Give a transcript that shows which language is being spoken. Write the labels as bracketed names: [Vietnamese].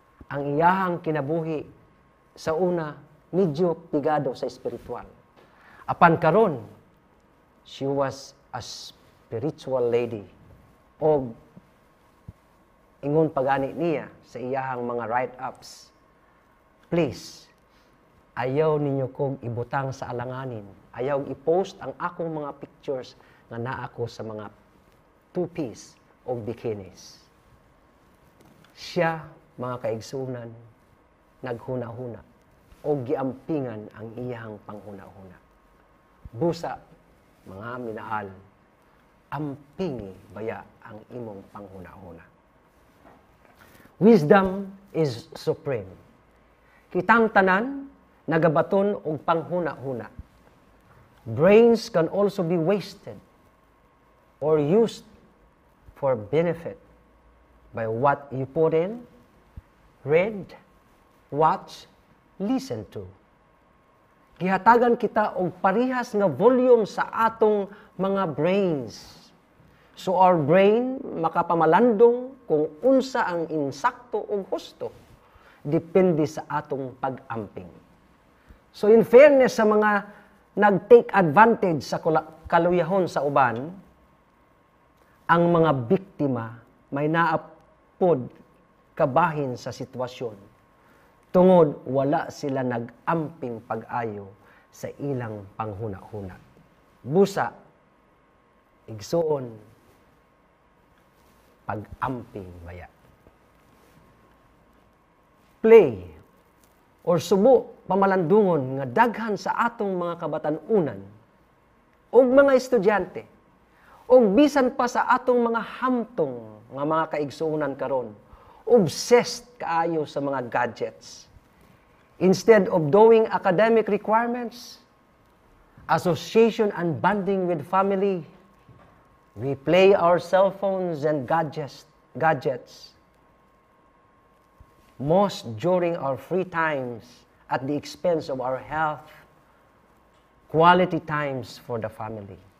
[Cebuano] Ang iyahang kinabuhi sa una, medyo pigado sa espiritual. Apan karon, [English] she was a spiritual lady. [Cebuano] Og ingon pagani niya sa iyahang mga write-ups, "Please, ayaw ninyo kong ibutang sa alanganin. Ayaw i-post ang akong mga pictures na naako sa mga two-piece o bikinis." Siya, mga kaigsunan, naghuna-huna o giampingan ang iyang panghuna-huna. Busa, mga minahal, ampingi baya ang imong panghuna-huna. [English] Wisdom is supreme. [Cebuano] Kitang tanan, nagabaton o panghuna-huna. [English] Brains can also be wasted or used for benefit by what you put in, read, watch, listen to. [Cebuano] Gihatagan kita og parihas nga volume sa atong mga brains. So our brain makapamalandong kung unsa ang insakto o husto, depende sa atong pag-amping. [English] So in fairness [Cebuano] sa mga nag-take advantage sa kaluyahon sa uban, ang mga biktima may naa pod kabahin sa sitwasyon tungod wala sila nag-amping pag-ayo sa ilang panghuna-huna. Busa, igsoon, pag-amping baya. Play or subo pamalandungon nga daghan sa atong mga kabatan-unan o mga estudyante o bisan pa sa atong mga hamtong nga mga kaigsoonan karon obsessed kaayo sa mga gadgets. [English] Instead of doing academic requirements, association and bonding with family, we play our cell phones and gadgets most during our free times at the expense of our health, quality times for the family.